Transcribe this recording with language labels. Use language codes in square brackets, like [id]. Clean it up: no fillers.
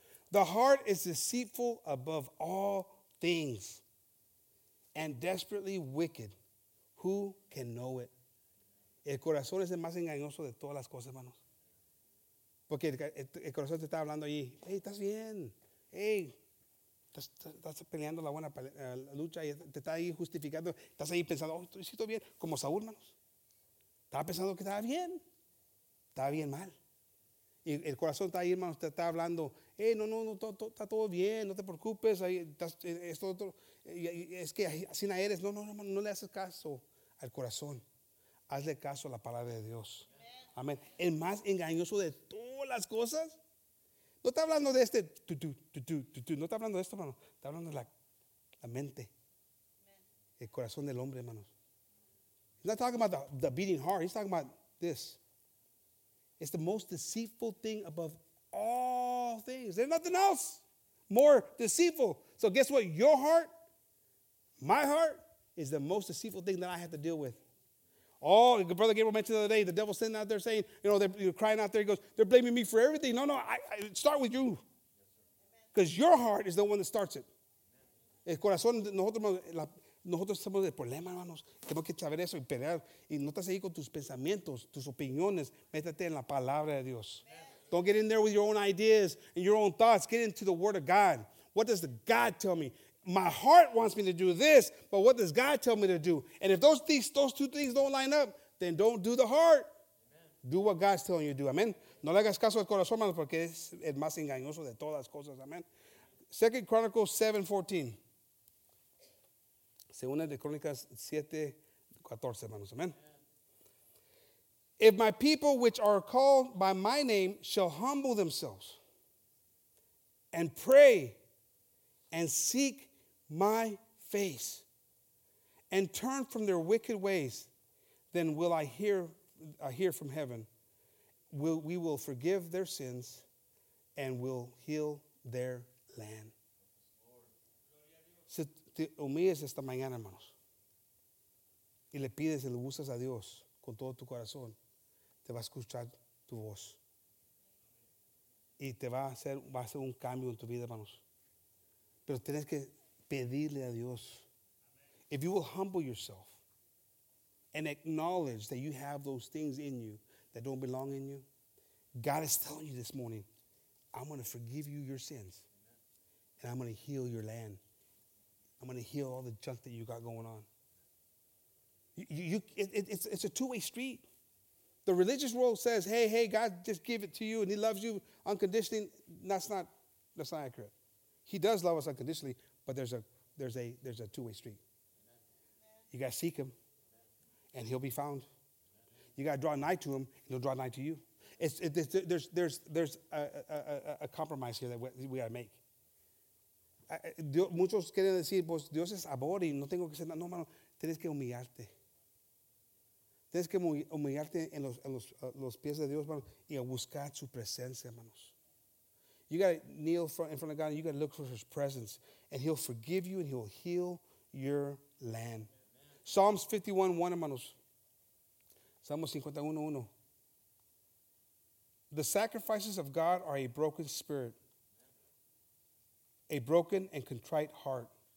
[en] The heart is deceitful above all things and desperately wicked. Who can know it? [es] El corazón es el más engañoso de todas las cosas, hermanos. Porque el corazón te está hablando allí. Hey, estás bien. Hey. Estás peleando la buena lucha y te está ahí justificando. Estás ahí pensando, oh, estoy bien. Como Saúl, hermanos. Estaba pensando que estaba bien mal. Y el corazón está ahí, hermanos, te está hablando, hey, no, está todo bien, no te preocupes. Ahí estás, esto, otro. Es que así no eres. No, no le haces caso al corazón. Hazle caso a la palabra de Dios. Amén. El más engañoso de todas las cosas. No está hablando de este, no está hablando de esto, hermano. Está hablando de la mente, el corazón del hombre, hermano. [en] He's not talking about the beating heart. He's talking about this. It's the most deceitful thing above all things. There's nothing else more deceitful. So guess what? Your heart, my heart, is the most deceitful thing that I have to deal with. Oh, Brother Gabriel mentioned the other day, the devil's sitting out there saying, you know, they're crying out there. He goes, they're blaming me for everything. No, I start with you. Because your heart is the one that starts it. [es] El corazón, nosotros somos el problema, hermanos. Tenemos que saber eso y pelear. Y no estás ahí con tus pensamientos, tus opiniones. Métete en la palabra de Dios. [en] Don't get in there with your own ideas and your own thoughts. Get into the word of God. What does God tell me? My heart wants me to do this, but what does God tell me to do? And if those two things don't line up, then don't do the heart. Amen. Do what God's telling you to do. Amen. [es] No le hagas caso al corazón, hermano, porque es el más engañoso de todas las cosas. Amen. [en] 2 Chronicles 7:14. [es] Segunda de Crónicas 7:14, hermanos. Amen. [en] If my people, which are called by my name, shall humble themselves and pray and seek my face and turn from their wicked ways, then will I hear from heaven. We will forgive their sins and will heal their land. [es] si te humilles esta mañana, hermanos, y le pides y le buscas a Dios con todo tu corazón, te va a escuchar tu voz. Y te va a hacer un cambio en tu vida, hermanos. Pero tienes que pedirle a Dios. [en] If you will humble yourself and acknowledge that you have those things in you that don't belong in you, God is telling you this morning, I'm going to forgive you your sins. And I'm going to heal your land. I'm going to heal all the junk that you got going on. It's a two-way street. The religious world says, hey, God just gave it to you and he loves you unconditionally. That's not accurate. He does love us unconditionally, but there's a two-way street. Amen. You got to seek him and he'll be found. Amen. You got to draw nigh to him and he'll draw nigh to you. There's a compromise here that we got to make. [es] Muchos quieren decir, pues Dios es amor y no tengo que ser nada. No, hermano, tienes que humillarte. Tienes que humillarte en los pies de Dios, hermano, y a buscar su presencia, hermanos. [en] You got to kneel in front of God and you got to look for his presence. And he'll forgive you and he'll heal your land. Amen. Psalms 51:1, [es] hermanos. Salmos 51:1. [en] The sacrifices of God are a broken spirit, a broken and contrite heart.